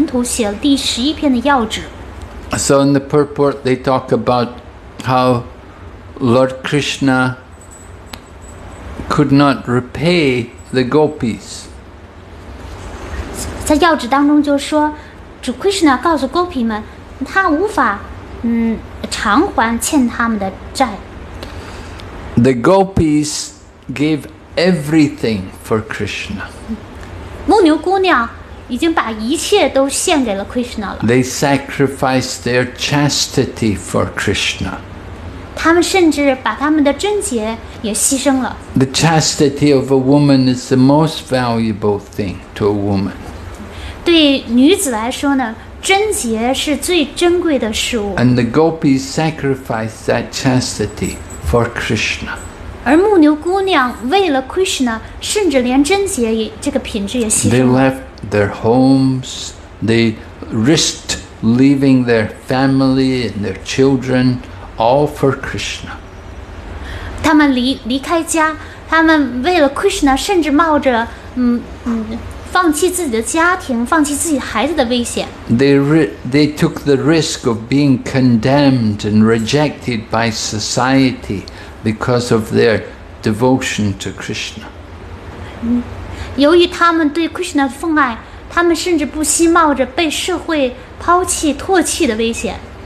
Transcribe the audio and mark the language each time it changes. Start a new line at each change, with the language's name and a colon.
Chinese: 事实上，第十一篇呢，是圣帕帕德的门徒，这个要旨是他门徒写的。帕帕德当时已经隐寂了，所以是他的门徒写了第十一篇的要旨。So
English: in the purport, they talk about how Lord Krishna could not repay the gopis.
Chinese: 在要旨当中就说，主Krishna告诉gopi们，他无法。
English: The gopis gave everything for Krishna.
Chinese: 牧牛姑娘已经把一切都献给了Krishna了。
English: They sacrificed their chastity for Krishna.
Chinese: 他们甚至把他们的贞洁也牺牲了。
English: The chastity of a woman is the most valuable thing to a woman.
Chinese: 对女子来说呢， 贞洁是最珍贵的事物。
English: And the gopis sacrificed that chastity for Krishna.
Chinese: 而牧牛姑娘为了Krishna， 甚至连贞洁这个品质也牺牲了。
English: They left their homes, they risked leaving their family and their children all for Krishna.
Chinese: 他们离开家， 他们为了Krishna， 甚至冒着 放弃自己的家庭，放弃自己孩子的危险。
English: They took the risk of being condemned and rejected by society because of their devotion to Krishna.
Chinese: 由于他们对Krishna的奉爱， 他们甚至不惜冒着被社会抛弃、唾弃的危险。